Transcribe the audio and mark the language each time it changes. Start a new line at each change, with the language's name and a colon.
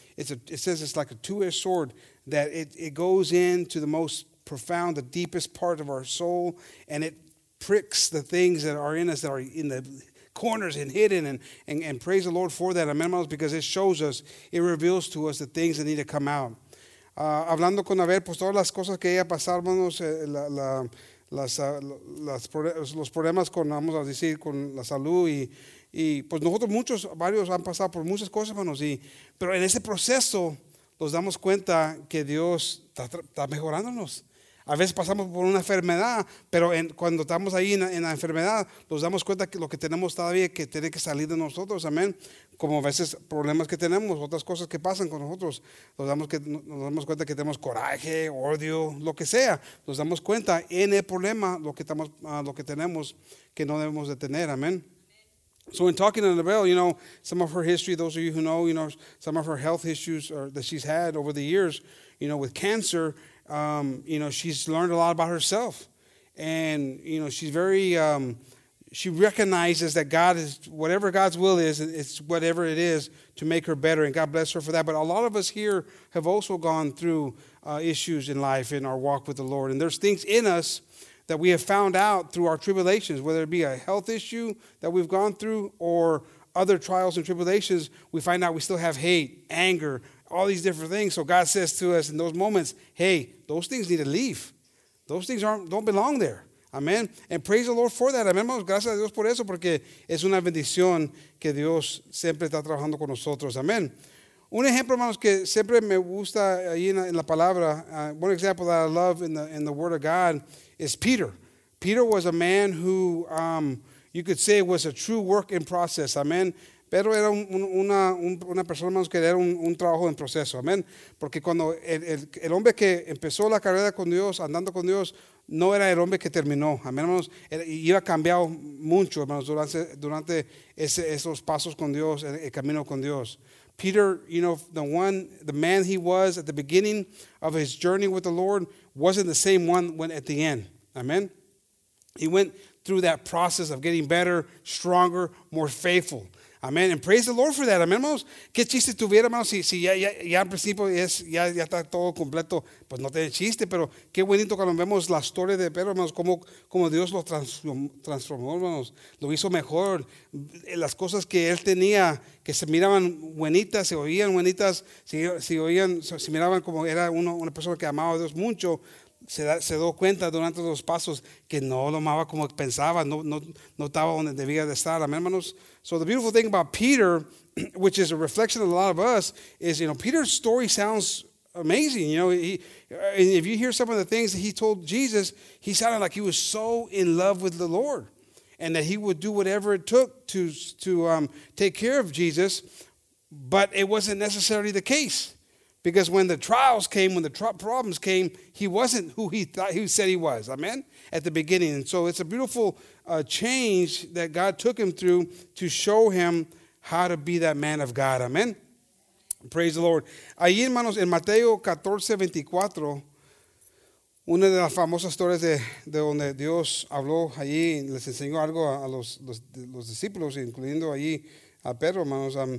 English: It says it's like a two-edged sword that it goes into the most profound, the deepest part of our soul, and it pricks the things that are in us that are in the corners and hidden and praise the Lord for that, amen, hermanos, because it shows us, it reveals to us the things that need to come out.
Spanish: Hablando con Abel, pues todas las cosas que ella pasaba, hermanos, los problemas con, vamos a decir, con la salud y pues nosotros muchos, varios han pasado por muchas cosas, hermanos, pero en ese proceso nos damos cuenta que Dios está mejorándonos. A veces pasamos por una enfermedad, pero cuando estamos ahí en la enfermedad, nos damos cuenta que lo que tenemos todavía que tiene que salir de nosotros, amén. Como a veces problemas que tenemos, otras cosas que pasan con nosotros, nos damos cuenta que tenemos coraje, odio, lo que sea. Nos damos cuenta en el problema lo que tenemos que no debemos de tener, amén.
English: So in talking to Annabelle, you know, some of her history, those of you know, some of her health issues that she's had over the years, you know, with cancer, you know, she's learned a lot about herself. And, you know, she's very, she recognizes that God is, whatever God's will is, it's whatever it is to make her better. And God bless her for that. But a lot of us here have also gone through issues in life in our walk with the Lord. And there's things in us that we have found out through our tribulations, whether it be a health issue that we've gone through or other trials and tribulations, we find out we still have hate, anger, all these different things. So God says to us in those moments, hey, those things need to leave. Those things don't belong there. Amen. And praise the Lord for that. Amen.
Spanish: Gracias a Dios por eso, porque es una bendición que Dios siempre está trabajando con nosotros. Amen. Un ejemplo, hermanos, que siempre me gusta ahí en la palabra,
English: one example that I love in the Word of God is Peter. Peter was a man who, you could say, was a true work in process. Amen.
Spanish: Pero era una persona, hermanos, que era un trabajo en proceso. Amen. Porque cuando el hombre que empezó la carrera con Dios, andando con Dios, no era el hombre que terminó. Amen, hermanos. Iba cambiado mucho, hermanos, durante esos pasos con Dios, el camino con Dios.
English: Peter, you know, the man he was at the beginning of his journey with the Lord wasn't the same one when at the end. Amen. He went through that process of getting better, stronger, more faithful. Amen. And praise the Lord for that. Amen, hermanos.
Spanish: Qué chiste tuviera, hermanos, si ya al principio ya está todo completo. Pues no tiene chiste, pero qué bonito cuando vemos la historia de Pedro, hermanos, cómo Dios lo transformó, hermanos. Lo hizo mejor. Las cosas que él tenía, que se miraban buenitas, se oían buenitas, se miraban como era una persona que amaba a Dios mucho. Se dio cuenta durante los pasos que no lo amaba como pensaba, no estaba donde debía de estar. Amen, hermanos.
English: So the beautiful thing about Peter, which is a reflection of a lot of us, is, you know, Peter's story sounds amazing. You know, and if you hear some of the things that he told Jesus, he sounded like he was so in love with the Lord and that he would do whatever it took to take care of Jesus. But it wasn't necessarily the case. Because when the trials came, when the problems came, he wasn't who he thought he said he was. Amen? At the beginning. And so it's a beautiful change that God took him through to show him how to be that man of God. Amen? Praise the Lord.
Spanish: Ahí, hermanos, en Mateo 14, 24, una de las famosas historias de donde Dios habló allí, les enseñó algo a los discípulos, incluyendo allí a Pedro, hermanos.